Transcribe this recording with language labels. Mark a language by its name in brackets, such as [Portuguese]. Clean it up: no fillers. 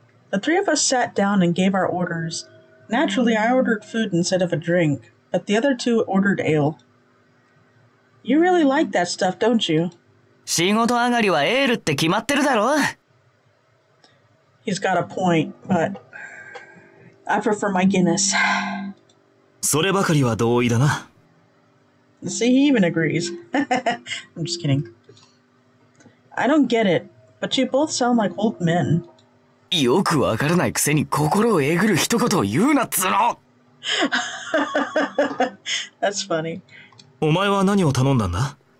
[English] The three of us sat down and gave our orders. Naturally, I ordered food instead of a drink, but the other two ordered ale. You really like that stuff, don't you? [Japanese] 仕事上がりはエールって決まってるだろ? [English] He's got a point, but I prefer my Guinness. [Japanese] そればかりは同意だな。 [English] See, he even agrees. I'm just kidding. I don't get it, but you both sound like old men. [Japanese] よくわからないくせに心をえぐる一言を言うなっつーの [English] That's funny. [Japanese] お前は何を頼んだんだ?